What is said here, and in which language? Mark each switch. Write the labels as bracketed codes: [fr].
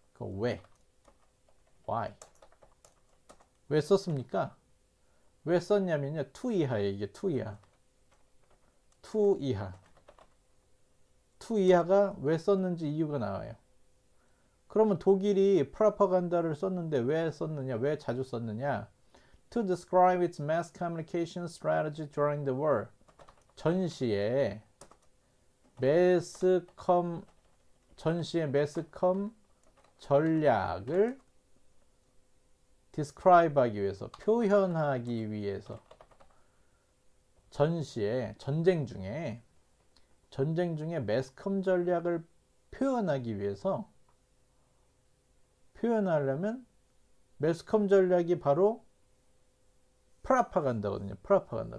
[ko] 그 왜? [en] Why? [ko] 왜 썼습니까? 왜 썼냐면요. 2 이하에요. 이게 2 이하. 2 이하. 2 이하가 왜 썼는지 이유가 나와요. 그러면 독일이 프로파간다를 썼는데 왜 썼느냐? 왜 자주 썼느냐? [en] To describe its mass communication strategy during the war. [ko] 전시에 매스컴 전략을 describe 하기 위해서, 표현하기 위해서, 전시에, 전쟁 중에 매스컴 전략을 표현하기 위해서, 표현하려면, 매스컴 전략이 바로 프로파간다거든요. 프로파간다.